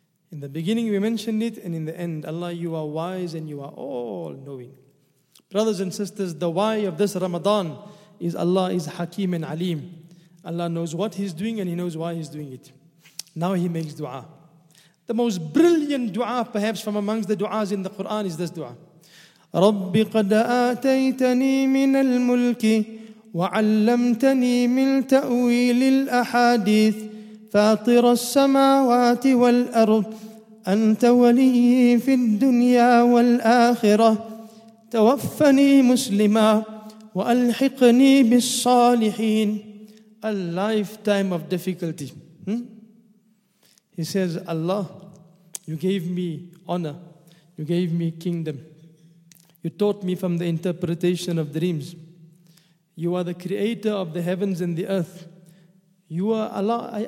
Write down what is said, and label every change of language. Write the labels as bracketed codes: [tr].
[en] In the beginning we mentioned it, and in the end, Allah, you are wise and you are all knowing. Brothers and sisters, the why of this Ramadan is Allah is hakim and alim. Allah knows what he's doing and he knows why he's doing it. Now he makes dua. The most brilliant dua, perhaps from amongst the duas in the Quran, is this dua. [ar] Rabbi qad ataytani min al mulki وعلمتني من تأويل الأحاديث فاطر السماوات والأرض أنت ولي في الدنيا والآخرة توفني مسلما وألحقني بالصالحين. [en] A lifetime of difficulty. He says, Allah, you gave me honor, you gave me kingdom, you taught me from the interpretation of dreams. You are the creator of the heavens and the earth. You are Allah.